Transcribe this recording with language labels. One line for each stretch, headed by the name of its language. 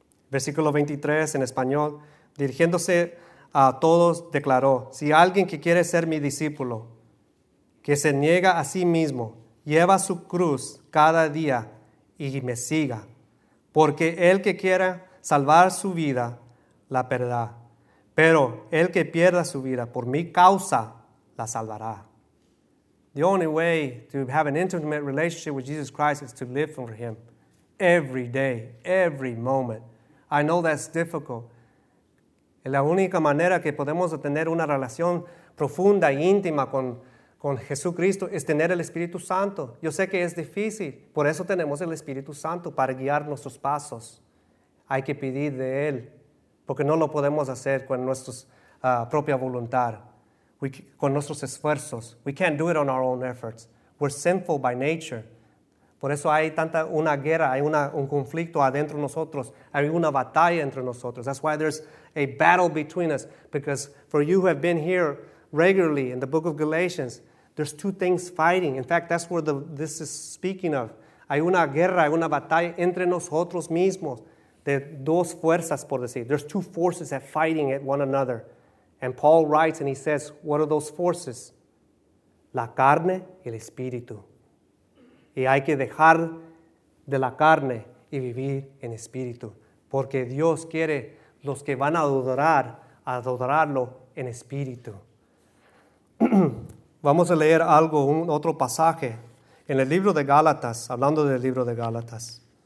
Spanish: Versículo 23 en español, dirigiéndose a todos, declaró, si alguien que quiere ser mi discípulo, que se niega a sí mismo, lleva su cruz cada día y me siga, porque el que quiera salvar su vida, la perderá. Pero el que pierda su vida por mi causa, la salvará.
English: The only way to have an intimate relationship with Jesus Christ is to live for him every day, every moment. I know that's difficult.
Spanish: La única manera que podemos tener una relación profunda e íntima con Jesucristo es tener el Espíritu Santo. Yo sé que es difícil. Por eso tenemos el Espíritu Santo, para guiar nuestros pasos. Hay que pedir de él, porque no lo podemos hacer con nuestra propia voluntad, con nuestros esfuerzos.
English: We can't do it on our own efforts. We're sinful by nature.
Spanish: Por eso hay tanta una guerra, hay un conflicto adentro de nosotros, hay una batalla entre nosotros.
English: That's why there's a battle between us. Because for you who have been here regularly in the book of Galatians, there's two things fighting. In fact, that's where this is speaking of.
Spanish: Hay una guerra, hay una batalla entre nosotros mismos. De dos fuerzas, por decir.
English: There's two forces that are fighting at one another. And Paul writes and he says, what are those forces?
Spanish: La carne y el espíritu. Y hay que dejar de la carne y vivir en espíritu. Porque Dios quiere los que van a adorar, adorarlo en espíritu. Vamos a leer algo, otro pasaje. En el libro de Gálatas, hablando del libro de Gálatas.